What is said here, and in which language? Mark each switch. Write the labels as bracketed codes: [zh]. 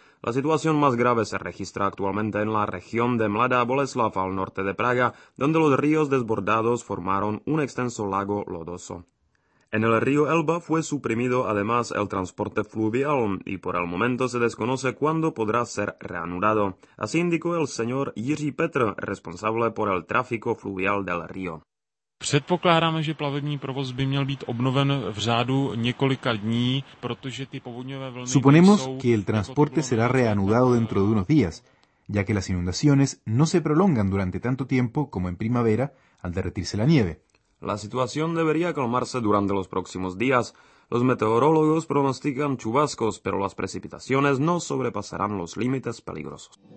[es] La situación más grave se registra actualmente en la región de Mladá Boleslav, al norte de Praga, donde los ríos desbordados formaron un extenso lago lodoso. En el río Elba fue suprimido además el transporte fluvial y por el momento se desconoce cuándo podrá ser reanudado. Así indicó el señor Jiří Petr, responsable por el tráfico fluvial del río. [cs] Předpokládáme, že plavební provoz by měl být obnoven v řádu několika dní, protože ty povodňové vlny. [es] Suponemos que el transporte será reanudado dentro de unos días, ya que las inundaciones no se prolongan durante tanto tiempo como en primavera al derretirse la nieve. La situación debería calmarse durante los próximos días. Los meteorólogos pronostican chubascos, pero las precipitaciones no sobrepasarán los límites peligrosos.